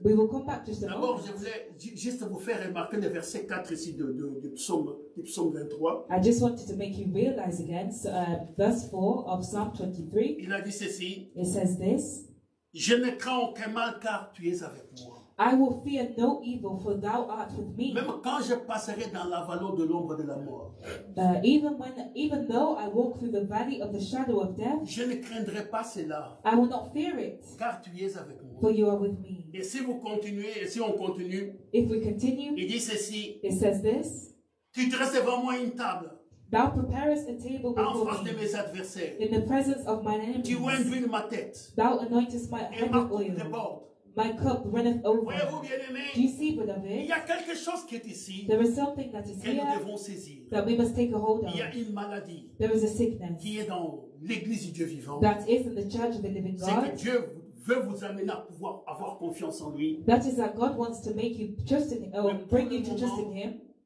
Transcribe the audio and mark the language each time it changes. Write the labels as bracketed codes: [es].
[en] We will come back just a [fr] D'abord, je voulais juste vous faire remarquer le verset 4 ici de psaume 23. [en] I just wanted to make you realize again, verse 4 of Psalm 23. [fr] Il a dit ceci. [en] It says this. [fr] Je ne crains aucun mal car tu es avec moi. [en] I will fear no evil, for thou art with me. [fr] Même quand je passerai dans la vallée de l'ombre de la mort. [en] Even though I walk through the valley of the shadow of death. [fr] Je ne craindrai pas cela. [en] I will not fear it. [fr] Car tu es avec moi. [en] For you are with me. [fr] Et si vous continuez, et si on continue. [en] If we continue. [fr] Il dit ceci. [en] It says this. [fr] Tu dresses devant moi une table. [en] Thou preparest a table before me. [fr] En face de mes adversaires. [en] In the presence of mine enemies. [fr] Tu oindris ma tête. [en] Thou anointest my head with oil. [fr] Et ma coupe déborde. [en] My cup runneth over. [fr] Voyez-vous, bien-aimé, [en] do you see, beloved? [fr] Il y a quelque chose qui est ici. [en] There is something that is here. [fr] Que nous devons saisir. [en] That we must take a hold of. [fr] Il y a une maladie. [en] There is a sickness. [fr] Qui est dans l'église du Dieu vivant. [en] That is in the church of the living God. [fr] C'est que Dieu veut vous amener à pouvoir avoir confiance en lui. [en] That is that God wants to make you trust in Him, or bring you to trust in Him.